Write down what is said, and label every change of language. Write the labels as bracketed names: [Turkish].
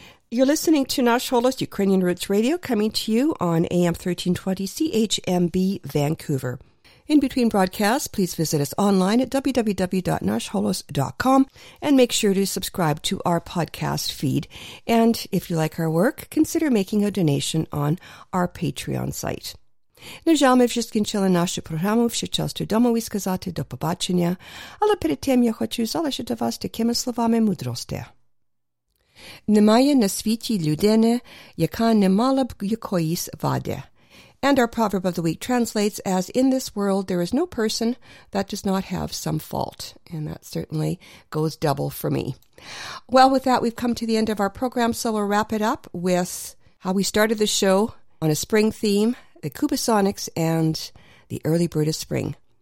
[English] You're listening to Nash Holos, Ukrainian Roots Radio, coming to you on AM 1320 CHMB Vancouver. In between broadcasts, please visit us online at www.nashholos.com and make sure to subscribe to our podcast feed. And if you like our work, consider making a donation on our Patreon site. [Ukrainian] Нажаємо вже скінчили нашу програму, все часто дома висказати, до побачення. Але перед тим я хочу залишити вас такими словами мудрості. Немає на світі людини, яка не мала б якоїсь вади. [English] And our proverb of the week translates as, in this world, there is no person that does not have some fault. And that certainly goes double for me. Well, with that, we've come to the end of our program, so we'll wrap it up with how we started the show on a spring theme, the Cubasonics and the early bird of spring.